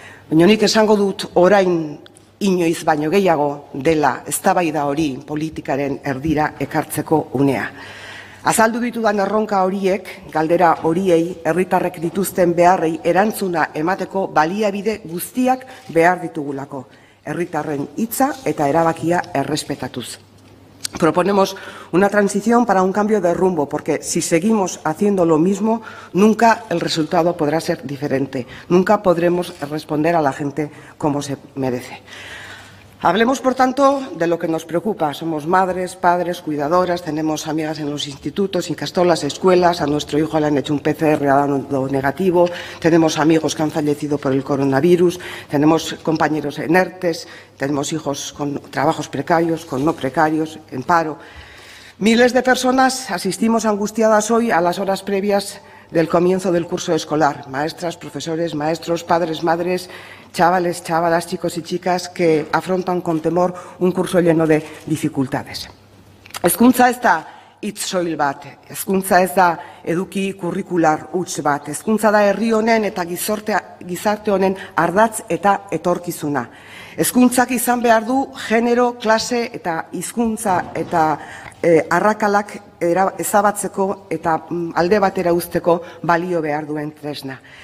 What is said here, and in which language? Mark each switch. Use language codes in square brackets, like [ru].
[eu] Baina nik esango dut orain inoiz baino gehiago dela eztabaida hori politikaren erdira ekartzeko unea. Azaldu ditudan erronka horiek, galdera horiei, herritarrek dituzten beharrei erantzuna emateko baliabide guztiak behar ditugulako, herritarren hitza eta erabakia errespetatuz. [es] Proponemos una transición para un cambio de rumbo, porque si seguimos haciendo lo mismo, nunca el resultado podrá ser diferente. Nunca podremos responder a la gente como se merece. Hablemos, por tanto, de lo que nos preocupa. Somos madres, padres, cuidadoras, tenemos amigas en los institutos, ikastolas, escuelas, a nuestro hijo le han hecho un PCR dando negativo, tenemos amigos que han fallecido por el coronavirus, tenemos compañeros en ERTES, tenemos hijos con trabajos precarios, con no precarios, en paro. Miles de personas asistimos angustiadas hoy a las horas previas del comienzo del curso escolar. Maestras, profesores, maestros, padres, madres, chavales, chavalas, chicos y chicas que afrontan con temor un curso lleno de dificultades. [eu] Hezkuntza ez da hitz soil bat, hezkuntza ez da eduki kurrikular huts bat, hezkuntza da herri honen eta gizarte honen ardatz eta etorkizuna. Hezkuntzak izan behar du genero, klase eta hizkuntza eta arrakalak ezabatzeko eta alde batera uzteko balio behar duen tresna.